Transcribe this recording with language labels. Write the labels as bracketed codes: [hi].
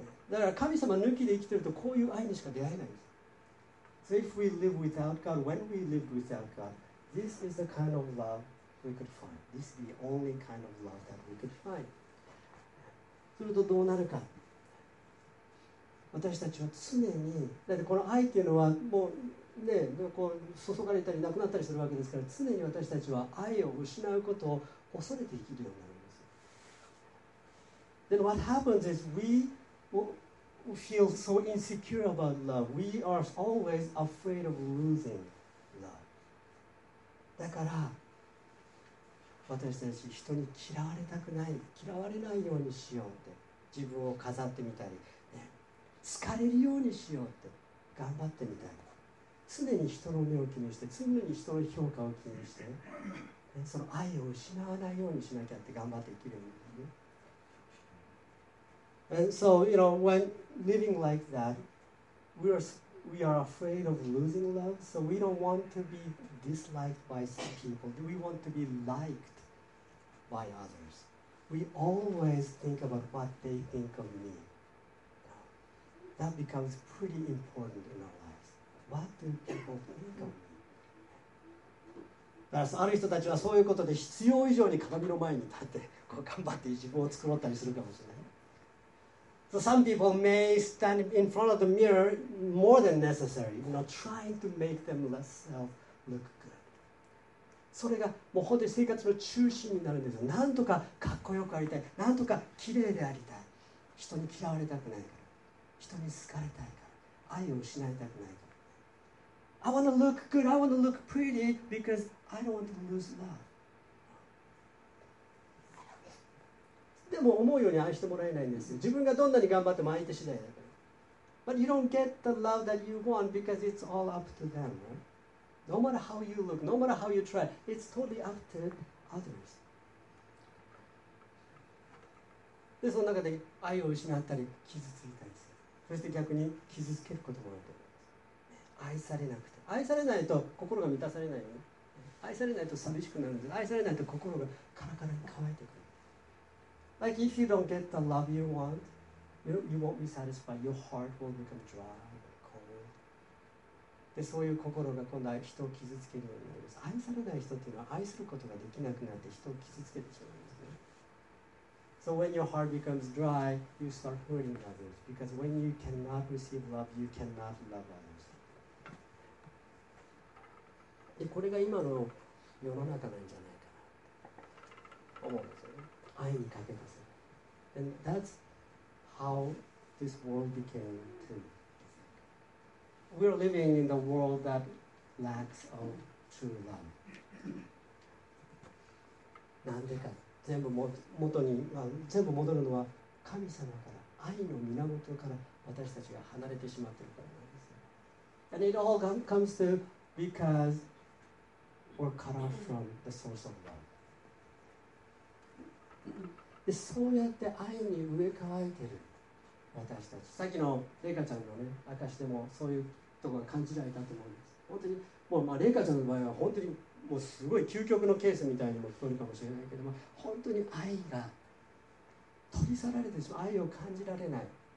[ja] だから神様抜きで生きてるとこういう愛にしか出会えないんです。 [en] So if we live without God, when we live without God, this is the kind of love we could find. This is the only kind of love that we could find. [ja] するとどうなるか。私たちは常に、だってこの愛っていうのはもうね、こう注がれたりなくなったりするわけですから、常に私たちは愛を失うことを恐れて生きるようになるんです。 [en] Then what happens is we feel so insecure about love. We are always afraid of losing love. [ja] だから私たち人に嫌われたくない、嫌われないようにしようって自分を飾ってみたり、ね、好かれるようにしようって頑張ってみたり、常に人の目を気にして常に人の評価を気にして、ね、その愛を失わないようにしなきゃって頑張って生きるんですね。 [en] And so, you know, when living like that, we are afraid of losing love, so we don't want to be disliked by some people. We want to be liked by others. We always think about what they think of me. That becomes pretty important in our lives. What do people think of me? [ja] だからある人たちはそういうことで必要以上に鏡の前に立ってこう頑張って自分を作ろうったりするかもしれない。 [en] So some people may stand in front of the mirror more than necessary, you know, trying to make themselves look good. [ja] それがもう本当に生活の中心になるんですよ。なんとかかっこよくありたい、なんとか綺麗でありたい。人に嫌われたくないから、人に好かれたいから、愛を失いたくないから。 [en] I want to look good, I want to look pretty because I don't want to lose love. [ja] でも思うように愛してもらえないんですよ。自分がどんなに頑張っても相手次第だから。 [en] But you don't get the love that you want because it's all up to them, right? No matter how you look, no matter how you try, it's totally up to others. [ja] で、その中で愛を失ったり傷ついたりする。そして逆に傷つけることもあると思います。愛されなくて。愛されないと心が満たされないよね。愛されないと寂しくなるんです。愛されないと心がカラカラに乾いてくる。 [en] Like if you don't get the love you want, you won't be satisfied. Your heart will become dry, cold. [ja] で、そういう心が今度は人を傷つけるようになります。愛されない人っていうのは愛することができなくなって人を傷つけてしまうんですね。 [en] So when your heart becomes dry, you start hurting others. Because when you cannot receive love, you cannot love others. [ja] でこれが今の世の中なんじゃないかなと思うんですよね。愛に欠けます。 [en] And that's how this world became to me. We're living in the world that lacks of true love. [ja] なんでか全部元に、まあ、全部戻るのは神様から愛の源から私たちが離れてしまっているからなんですよ。 [en] And it all comes to becauseOr cut off from the source of love. [ja] でそうやって愛に植え替えてる私たち。さっきのレイカちゃんのね証でもそういうところが感じられたと思うんです。本当にもうまあレイカちゃんの場合は本当にもうすごい究極のケースみたいにも聞こえるかもしれないけども、本当に愛が取り去られてしまう、愛を感じられない。